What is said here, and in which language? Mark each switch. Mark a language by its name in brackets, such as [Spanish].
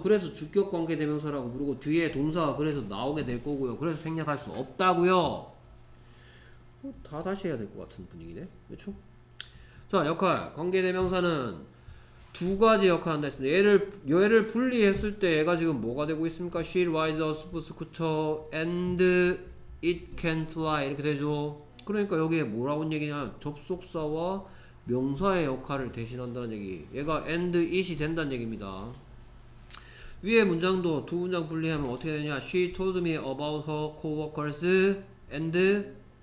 [Korean] 그래서 주격 관계 대명사라고 부르고 뒤에 동사가 그래서 나오게 될 거고요. 그래서 생략할 수 없다고요. 뭐 다 다시 해야 될 것 같은 분위기네. 그렇죠? 자, 역할. 관계 대명사는 두 가지 역할을 한다 했습니다. 얘를 분리했을 때 얘가 지금 뭐가 되고 있습니까? [English] She rides a super scooter and it can fly. [Korean] 이렇게 되죠. 그러니까 여기에 뭐라고 얘기냐? 접속사와 명사의 역할을 대신한다는 얘기. 얘가 and it이 된다는 얘기입니다. 위에 문장도 두 문장 분리하면 어떻게 되냐? [English] She told me about her co-workers and